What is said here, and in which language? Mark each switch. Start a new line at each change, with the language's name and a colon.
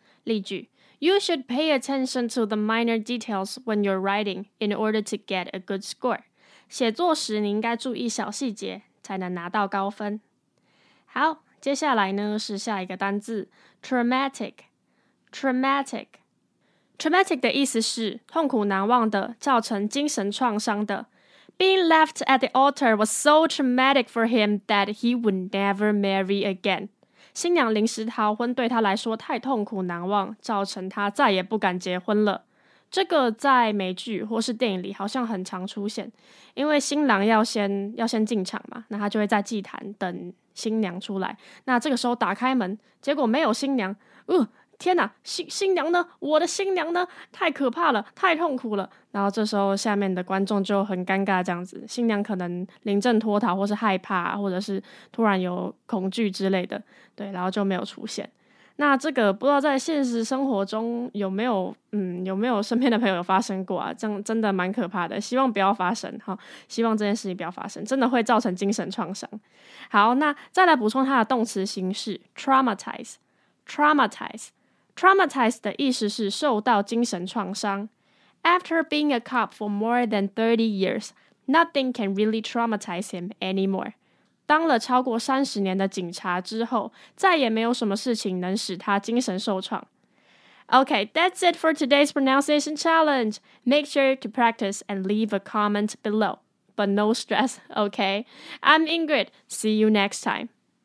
Chinese: 例句：
English: You should pay attention to the minor details when you're writing in order to get a good score.
Chinese: 写作时你应该注意小细节才能拿到高分。好，接下来呢是下一个单字 traumatic 的意思是痛苦难忘的、造成精神创伤的。
English: Being left at the altar was so traumatic for him that he would never marry again.
Chinese: 新娘临时逃婚对他来说太痛苦难忘，造成他再也不敢结婚了。这个在美剧或是电影里好像很常出现，因为新郎要先进场嘛，那他就会在祭坛等新娘出来。那这个时候打开门，结果没有新娘，天哪，新娘呢？我的新娘呢？太可怕了，太痛苦了。然后这时候下面的观众就很尴尬，这样子，新娘可能临阵脱逃，或是害怕，或者是突然有恐惧之类的，对，然后就没有出现。那这个不知道在现实生活中有没有，有没有身边的朋友有发生过啊？这样真的蛮可怕的，希望不要发生哈，希望这件事情不要发生，真的会造成精神创伤。好，那再来补充它的动词形式 traumatize。 Traumatize 的意思是受到精神创伤。
English: After being a cop for more than 30 years, nothing can really traumatize him anymore.
Chinese: 当了超过30年的警察之后，再也没有什么事情能使他精神受创。
English: Okay, that's it for today's pronunciation challenge. Make sure to practice and leave a comment below. But no stress, okay? I'm Ingrid. See you next time.